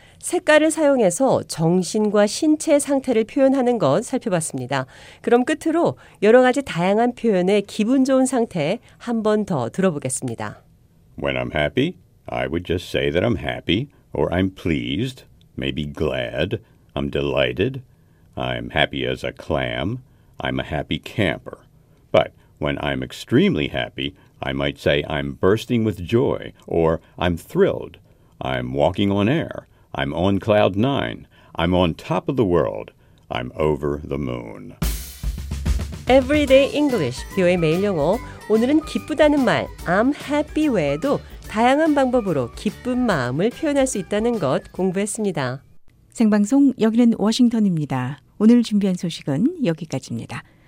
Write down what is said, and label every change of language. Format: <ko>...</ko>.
<ko>색깔을 사용해서 정신과 신체 상태를 표현하는 것 살펴봤습니다. 그럼 끝으로 여러 가지 다양한 표현의 기분 좋은 상태 한 번 더 들어보겠습니다.</ko> <en>When I'm happy, I would just say that I'm happy, or I'm pleased, maybe glad, I'm delighted, I'm happy as a clam, I'm a happy camper. But when I'm extremely happy, I might say I'm bursting with joy, or I'm thrilled, I'm walking on air, I'm on cloud nine, I'm on top of the world, I'm over the moon.</en> <ko>Everyday English, 뷰의 매일 영어. 오늘은 기쁘다는 말,</ko> <en>I'm happy</en> <ko>외에도 다양한 방법으로 기쁜 마음을 표현할 수 있다는 것 공부했습니다. 생방송 여기는 워싱턴입니다. 오늘 준비한 소식은 여기까지입니다.</ko>